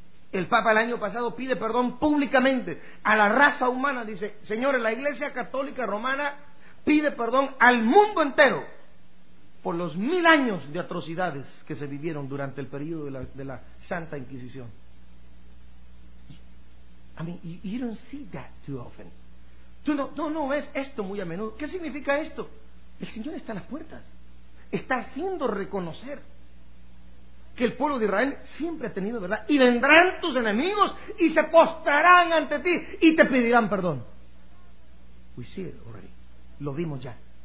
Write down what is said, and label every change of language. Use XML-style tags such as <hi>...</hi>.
<es>El Papa el año pasado pide perdón públicamente a la raza humana, dice, señores, la Iglesia Católica Romana pide perdón al mundo entero por los 1000 años de atrocidades que se vivieron durante el periodo de la Santa Inquisición.</es> <en>I mean, you don't see that too often.</en> <es>Tú no ves esto muy a menudo. ¿Qué significa esto? El Señor está a las puertas. Está haciendo reconocer que el pueblo de Israel siempre ha tenido verdad. Y vendrán tus enemigos y se postrarán ante ti y te pedirán perdón.</es> <en>We see it already.</en> <es>Lo vimos ya.</es>